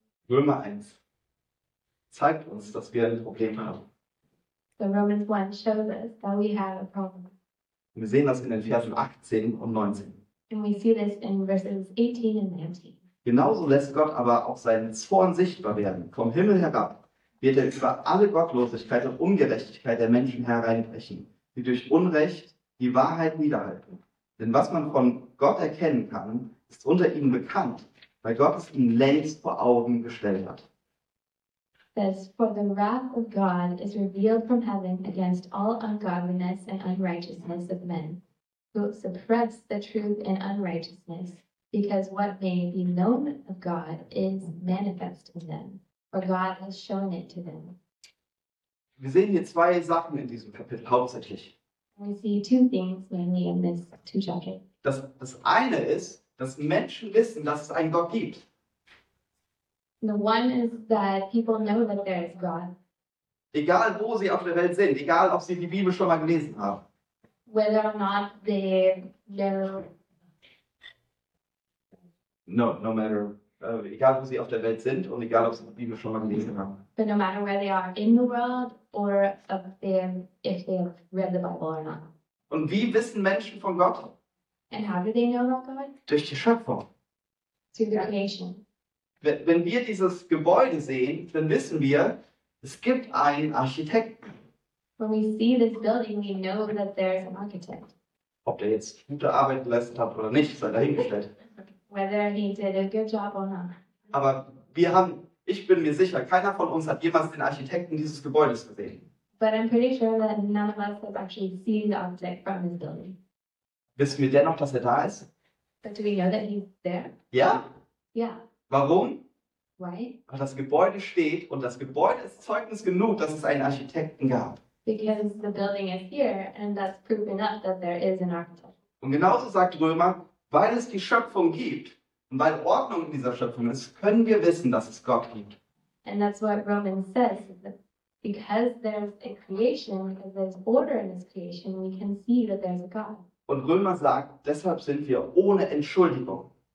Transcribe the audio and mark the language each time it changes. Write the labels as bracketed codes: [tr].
[de] Römer 1 zeigt uns, dass wir ein Problem haben. [en] So Romans 1 shows us that we have a problem. [de] Und wir sehen das in den Versen 18 und 19. [en] And we see this in verses 18 and 19. [de] Genauso lässt Gott aber auch seinen Zorn sichtbar werden. Vom Himmel herab wird er über alle Gottlosigkeit und Ungerechtigkeit der Menschen hereinbrechen, die durch Unrecht die Wahrheit niederhalten. Denn was man von Gott erkennen kann, ist unter ihnen bekannt, weil Gott es ihnen längst vor Augen gestellt hat. [en] Thus, for the wrath of God is revealed from heaven against all ungodliness and unrighteousness of men, who suppress the truth in unrighteousness, because what may be known of God is manifest in them, for God has shown it to them. [de] Wir sehen hier zwei Sachen in diesem Kapitel hauptsächlich. [en] We see two things mainly in this two chapters. [de] Das eine ist, dass Menschen wissen, dass es einen Gott gibt. [en] The one is that people know that there is God. [de] Egal wo sie auf der Welt sind, egal ob sie die Bibel schon mal gelesen haben. [en] Whether or not they know. [de] Egal wo sie auf der Welt sind und egal ob sie die Bibel schon mal gelesen haben. [en] But no matter where they are in the world or if they have read the Bible or not. [de] Und wie wissen Menschen von Gott? [en] And how do they know about God? [de] Durch die Schöpfung. [en] Through the creation. [de] Wenn wir dieses Gebäude sehen, dann wissen wir, es gibt einen Architekten. [en] When we see this building, we know that there is an architect. [de] Ob der jetzt gute Arbeit geleistet hat oder nicht, sei dahingestellt. [en] Whether he did a good job or not. [de] Aber wir haben, ich bin mir sicher, keiner von uns hat jemals den Architekten dieses Gebäudes gesehen. [en] But I'm pretty sure that none of us have actually seen the architect from this building. [de] Wissen wir dennoch, dass er da ist? [en] But do we know that he's there? [de] Ja. Ja. Warum? [en] Why? [de] Weil das Gebäude steht und das Gebäude ist Zeugnis genug, dass es einen Architekten gab. [en] Because the building is here and that's proof enough that there is an architect. [de] Und genauso sagt Römer, weil es die Schöpfung gibt und weil Ordnung in dieser Schöpfung ist, können wir wissen, dass es Gott gibt. [en] And that's what Romans says. Because there's a creation, because there's order in this creation, we can see that there's a God. [de] Und Römer sagt, deshalb sind wir ohne Entschuldigung.